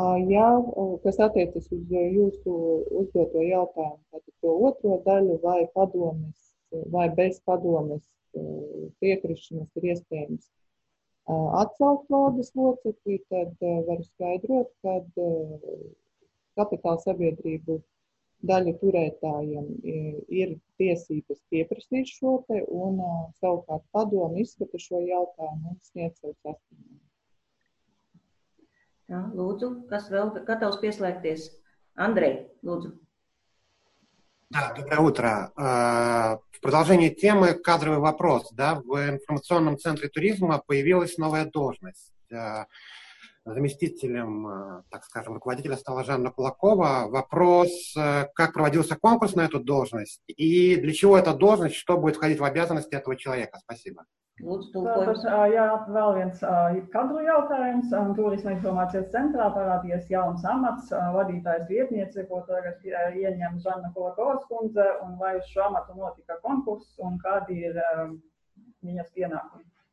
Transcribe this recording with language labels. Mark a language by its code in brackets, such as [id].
[lv] Jā, kas attiecas uz jūsu uzdoto jautājumu, tātad to otro daļu vai padomes vai bez padomes piekrišanas ir iespējams atcelt valdes loceklī, tad varu skaidrot, kad kapitāla sabiedrību daļa turētājiem ir tiesības pieprasīt šo te un savukārt padomu izskata šo jautājumu un sniedz savu sastāvumu. Tā, lūdzu, kas vēl gatavs pieslēgties? Andrej, lūdzu. [ru] Да, доброе утро. В продолжение темы кадровый вопрос. Да, в информационном центре туризма появилась новая должность. Заместителем, так скажем, руководителя стала Жанна Кулакова. Вопрос, как проводился конкурс на эту должность и для чего эта должность, что будет входить в обязанности этого человека? Спасибо. [lv] Jā, vēl viens kadru jautājums. Turisma informācijas centrā parādījies jauns amats, vadītājs vietniece, ko tagad ieņem Žanna Kulakovas kundze, un vai uz šo amatu notika konkurss, un kādi ir viņas pienākumi?